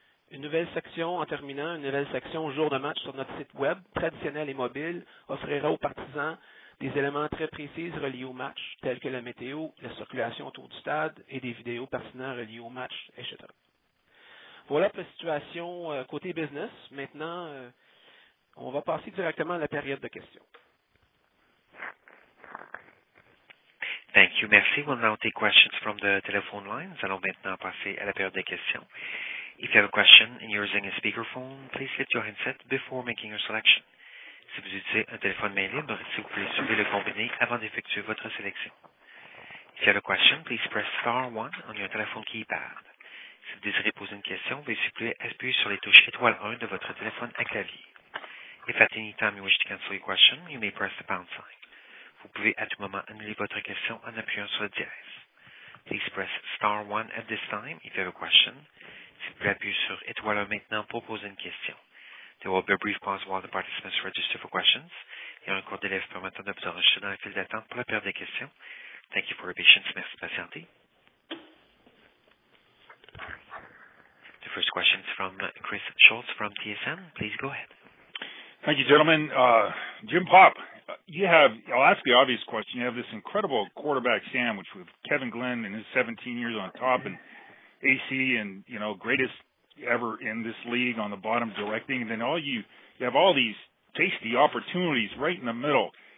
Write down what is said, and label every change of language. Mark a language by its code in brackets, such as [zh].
[fr] Une nouvelle section, en terminant, une nouvelle section jour de match sur notre site web, traditionnel et mobile, offrira aux partisans des éléments très précis reliés au match, tels que la météo, la circulation autour du stade et des vidéos pertinentes reliées au match, etc. Voilà pour la situation côté business. Maintenant, on va passer directement à la période de questions. [en] Thank you. [fr] Merci. [en] We'll now take questions from the telephone lines. [fr] Allons maintenant passer à la période des questions. [en] If you have a question and you're using a speakerphone, please lift your handset before making your selection. [fr] Si vous utilisez un téléphone main libre, si vous pouvez soulever le combiné avant d'effectuer votre sélection. [en] If you have a question, please press star 1 on your telephone keypad. [fr] Si vous désirez poser une question, veuillez s'il vous plaît appuyer sur les touches étoile 1 de votre téléphone à clavier. [en] If at any time you wish to cancel your question, you may press the pound sign. [fr] Vous pouvez à tout moment annuler votre question en appuyant sur le dièse. [en] Please press star 1 at this time if you have a question. [fr] S'il vous plaît, appuyez sur étoile 1 maintenant pour poser une question. [en] There will be a brief pause while the participants register for questions. [fr] Il y a un court délai permettant de vous enregistrer dans la file d'attente pour la période des questions. [en] Thank you for your patience. [fr] Merci de patienter. [en] The first question is from Chris Schultz from TSN. Please go ahead. Thank you, gentlemen. Jim Popp. I'll ask the obvious question. You have this incredible quarterback sandwich with Kevin Glenn and his 17 years on top and AC and, you know, greatest ever in this league on the bottom directing. And then you have all these tasty opportunities right in the middle.